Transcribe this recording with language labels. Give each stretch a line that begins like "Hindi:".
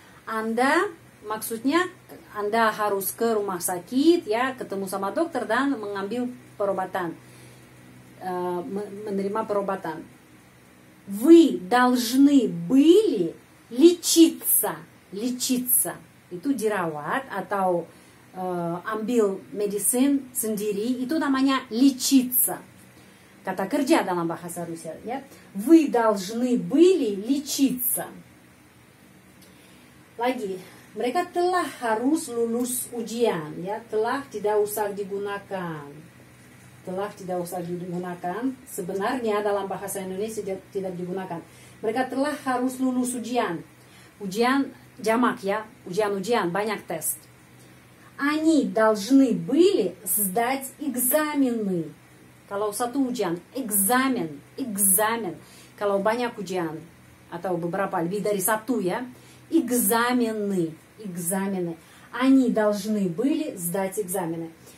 Indonesian: Анда, maksudnya Anda harus ke rumah sakit, ya, ketemu sama dokter dan mengambil perobatan, menerima perobatan.
Russian: Вы должны были лечиться, лечиться.
Indonesian: Itu dirawat atau ambil medisin sendiri, itu namanya лечиться. Kata kerja dalam bahasa Rusia, ya.
Russian: Вы должны были лечиться.
Indonesian: Lagi. Mereka telah harus lulus ujian, ya, telah tidak usah digunakan, sebenarnya dalam bahasa Indonesia tidak digunakan. Mereka telah harus lulus ujian, ujian jamak, ya, ujian-ujian, banyak tes.
Russian: Они должны были сдать экзамены.
Indonesian: Kalau satu ujian, экзамен, kalau banyak ujian, atau beberapa, lebih dari satu, ya, экзамены.
Russian: Они должны были сдать экзамены.